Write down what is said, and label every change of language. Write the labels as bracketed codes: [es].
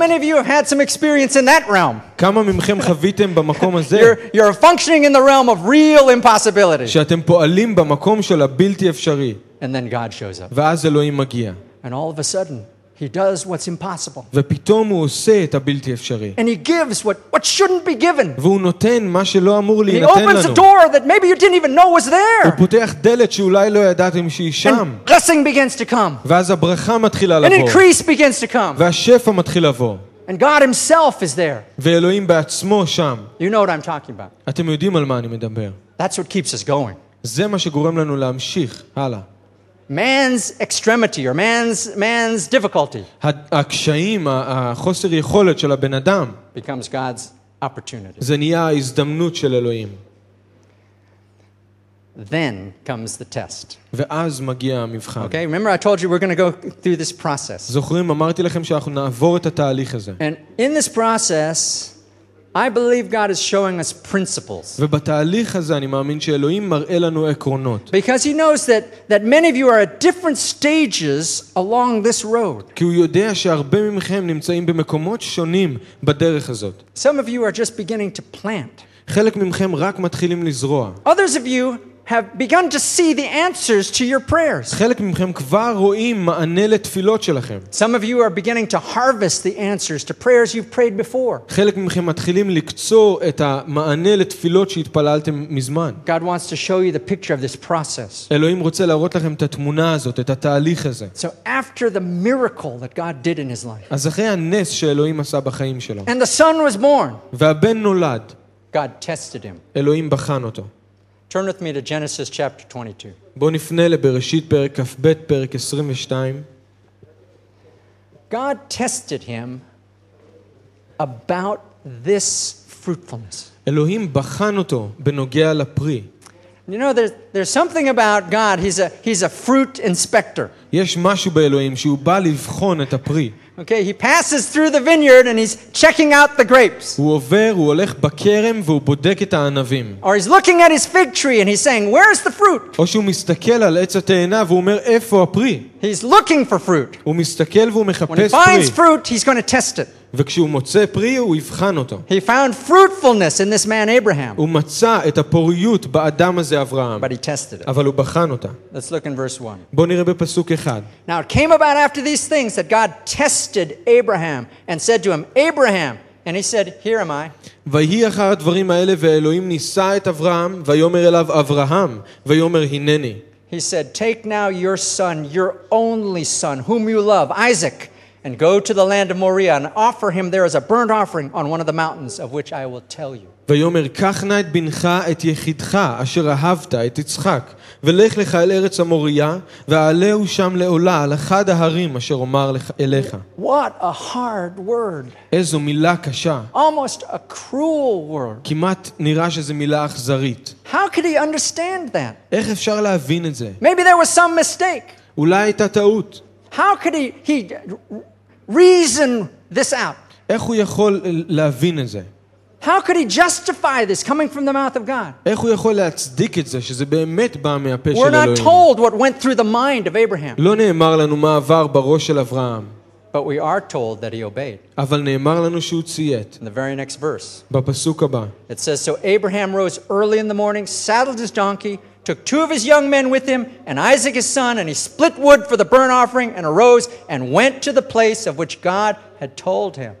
[en] How many of you have had some experience in that realm? [he] כמה ממכם חוויתם במקום הזה? [en] You're functioning in the realm of real impossibility. [he] שאתם פועלים במקום של הבלתי אפשרי. [en] And then God shows up. [he] ואז אלוהים מגיע. [en] And all of a sudden, He does what's impossible. [he] ופתאום הוא עושה את הבלתי אפשרי. [en] And he gives what shouldn't be given. [he] והוא נותן מה שלא אמור להינתן לנו. [en] He opens a door that maybe you didn't even know was there. [he] הוא פותח דלת שאולי לא ידעתם שהיא שם. [en] And blessing begins to come. [he] ואז הברכה מתחילה לבוא. [en] And increase begins to come. [he] והשפע מתחיל לבוא. [en] And God himself is there. [he] ואלוהים בעצמו שם. [en] You know what I'm talking about. [he] אתם יודעים על מה אני מדבר. [en] That's what keeps us going. [he] זה מה שגורם לנו להמשיך הלאה. [en] Man's extremity or man's difficulty. [he] הקשיים, החוסר יכולת של הבן אדם. [en] Becomes God's opportunity. [he] זה נהיה ההזדמנות של אלוהים. [en] Then comes the test. [he] ואז מגיע המבחן. [en] Okay, remember I told you we're going to go through this process. [he] זוכרים, אמרתי לכם שאנחנו נעבור את התהליך הזה. [en] And in this process, I believe God is showing us principles. [he] ובתהליך הזה אני מאמין שאלוהים מראה לנו עקרונות. [en] Because he knows that many of you are at different stages along this road. [he] כי הוא יודע שהרבה ממכם נמצאים במקומות שונים בדרך הזאת. [en] Some of you are just beginning to plant. [he] חלק ממכם רק מתחילים לזרוע. [en] Others of you have begun to see the answers to your prayers. [he] חלק ממכם כבר רואים מענה לתפילות שלכם. [en] Some of you are beginning to harvest the answers to prayers you've prayed before. [he] חלק ממכם מתחילים לקצור את המענה לתפילות שהתפללתם מזמן. [en] God wants to show you the picture of this process. [he] אלוהים רוצה להראות לכם את התמונה הזאת, את התהליך הזה. [en] So after the miracle that God did in his life. [he] אז אחרי הנס שאלוהים עשה בחיים שלו. [en] And the son was born. [he] והבן נולד. [en] God tested him. [he] אלוהים בחן אותו. [en] Turn with me to Genesis chapter 22. [he] בוא נפנה לבראשית פרק כ"ב פרק 22. [en] God tested him about this fruitfulness. [he] אלוהים בחן אותו בנוגע לפרי. [en] You know there's something about God. He's a fruit inspector. [he] יש משהו באלוהים שהוא בא לבחון את הפרי. [en] Okay, he passes through the vineyard and he's checking out the grapes. [he] הוא עובר, הוא הולך בכרם והוא בודק את הענבים. [en] Or he's looking at his fig tree and he's saying, "Where is the fruit?" [he] או שהוא מסתכל על עץ התאנה והוא אומר, "איפה הפרי?" [en] He's looking for fruit. [he] הוא מסתכל והוא מחפש פרי. [en] When he finds fruit, he's going to test it. [he] וכשהוא מוצא פרי, הוא יבחן אותו. [en] He found fruitfulness in this man Abraham. [he] הוא מצא את הפוריות באדם הזה אברהם. [en] But he tested it. [he] אבל הוא בחן אותה. [en] Let's look in verse 1. [he] בוא נראה בפסוק 1. [en] Now it came about after these things that God tested Abraham and said to him, "Abraham." And he said, "Here am I." [he] ויהי אחר הדברים האלה ואלוהים ניסה את אברהם ויאמר אליו אברהם ויאמר הנני. [en] He said, "Take now your son, your only son, whom you love, Isaac, and go to the land of Moriah and offer him there as a burnt offering on one of the mountains of which I will tell you." [he] ויאמר, קח נא את בנך, את יחידך, אשר אהבת, את יצחק, ולך לך אל ארץ המוריה, ועלהו שם לעולה על אחד ההרים אשר אומר אליך. [en] What a hard word. [he] איזו מילה קשה. [en] Almost a cruel word. [he] כמעט נראה שזו מילה אכזרית. [en] How could he understand that? [he] איך אפשר להבין את זה? [en] Maybe there was some mistake. [he] אולי הייתה טעות. [en] How could he reason this out? [he] איך הוא יכול להבין את זה? [en] How could he justify this coming from the mouth of God? [he] איך הוא יכול להצדיק את זה שזה באמת בא מהפה של אלוהים? [en] We're not told what went through the mind of Abraham. [he] לא נאמר לנו מה עבר בראש של אברהם. [en] But we are told that he obeyed. [he] אבל נאמר לנו שהוא ציית. [en] In the very next verse. [he] בפסוק הבא. [en] It says, "So Abraham rose early in the morning, saddled his donkey, took two of his young men with him, and Isaac his son, and he split wood for the burnt offering, and arose, and went to the place of which God had told him."